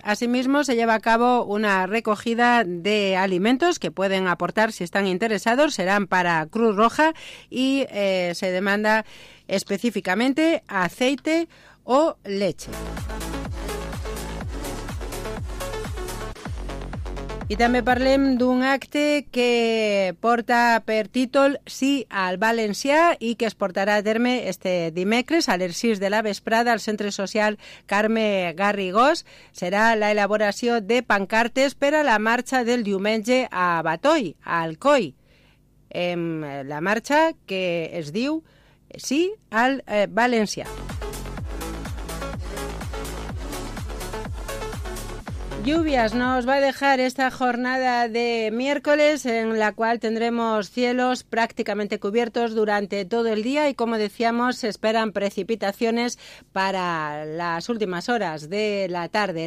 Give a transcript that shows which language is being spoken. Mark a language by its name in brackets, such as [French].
[Spanish] Asimismo, se lleva a cabo una recogida de alimentos que pueden aportar si están interesados. Serán para Cruz Roja y se demanda específicamente aceite o leche. Y también [Catalan] parlem d'un acte que porta per títol Sí al Valencià i que es portarà a terme este dimecres a les 6 de la vesprada al Centre Social Carme Garrigós. Serà la elaboració de pancartes per a la marxa del diumenge a Batoi, a Alcoi. La marxa que es diu Sí al Valencià. [Spanish] Lluvias nos va a dejar esta jornada de miércoles, en la cual tendremos cielos prácticamente cubiertos durante todo el día y, como decíamos, se esperan precipitaciones para las últimas horas de la tarde.